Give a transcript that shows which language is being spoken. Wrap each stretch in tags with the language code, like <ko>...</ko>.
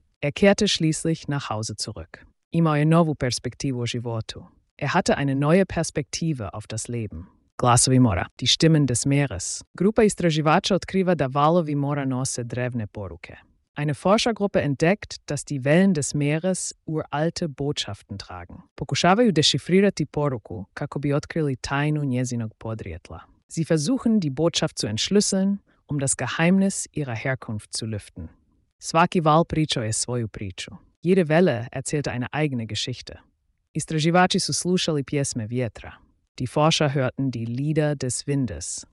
<de>Er kehrte schließlich nach Hause zurück.</de> <hr>Imao je novu perspektivu o životu.</hr> <de>Er hatte eine neue Perspektive auf das Leben.</de> <hr>Glasovi mora,</hr> <de>die Stimmen des Meeres.</de> <hr>Grupa istraživača otkriva da valovi mora nose drevne poruke.</hr> <de>Eine Forschergruppe entdeckt, dass die Wellen des Meeres uralte Botschaften tragen.</de> <hr>Pokušavaju dešifrirati poruku, kako bi otkrili tajnu njezinog podrijetla.</hr> <de>Sie versuchen, die Botschaft zu entschlüsseln, um das Geheimnis ihrer Herkunft zu lüften.</de> <hr>Svaki val pričao je svoju priču.</hr> <de>Jede Welle erzählte eine eigene Geschichte.</de> <hr>Istraživači su slušali pjesme vjetra.</hr> <de>Die Forscher hörten die Lieder des Windes.</de>